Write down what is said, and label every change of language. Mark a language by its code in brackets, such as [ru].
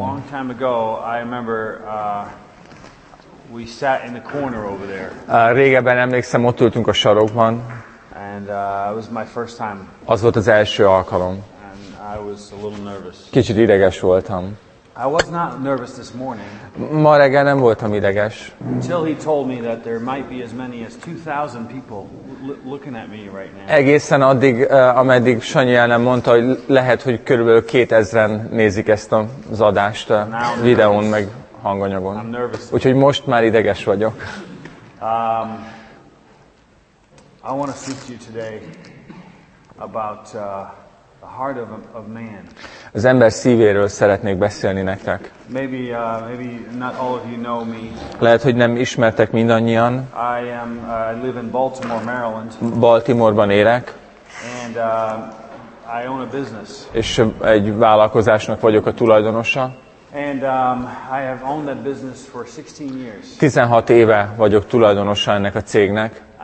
[en] A long time ago, I remember, we sat in the corner over there. [hu] Régebben emlékszem, ott ültünk a sarokban. [en] And it was my first time. [hu] Az volt az első alkalom. [en] I was a little nervous. [hu] Kicsit ideges voltam. [en] I was not nervous this morning. [hu] Ma reggel nem voltam ideges. [en] Until he told me that there might be as many as 2,000 people looking at me right now. [hu] Egészen addig, ameddig Sanyi el nem mondta, hogy lehet, hogy körülbelül 2,000 nézik ezt az adást, videón meg hanganyagon. [en] I'm nervous. [hu] Úgyhogy most már ideges vagyok. [en] I want to speak to you today about heart of man. [hu] Az ember szívéről szeretnék beszélni nektek. [en] Maybe not all of you know me. [hu] Lehet, hogy nem ismertek mindannyian. [en] I live in Baltimore, Maryland. [hu] Baltimore-ban élek. [en] And I own a business. [hu] És egy vállalkozásnak vagyok a tulajdonosa. [en] And I have owned that business for 16 years. [hu] 16 éve vagyok tulajdonosa ennek a cégnek.